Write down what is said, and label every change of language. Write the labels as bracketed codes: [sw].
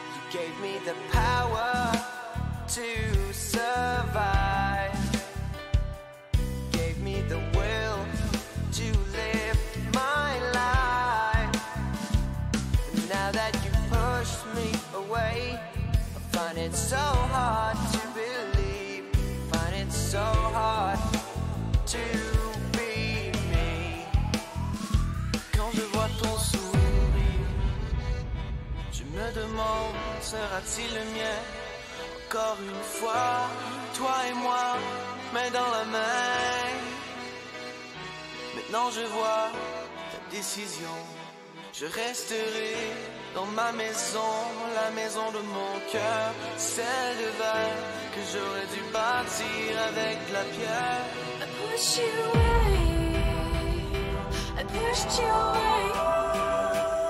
[en] gave me the power to survive, gave me the will to live my life. And now that you pushed me away, I find it so hard to believe, I find it so hard to be me. [fr] Quand je vois ton sourire, je me demande, sera-t-il le mien? Encore une fois, toi et moi, main dans la main. Maintenant je vois ta décision. Je resterai dans ma maison, la maison de mon cœur, celle de verre que j'aurais dû bâtir avec la pierre. [en] I pushed you away. I pushed you away.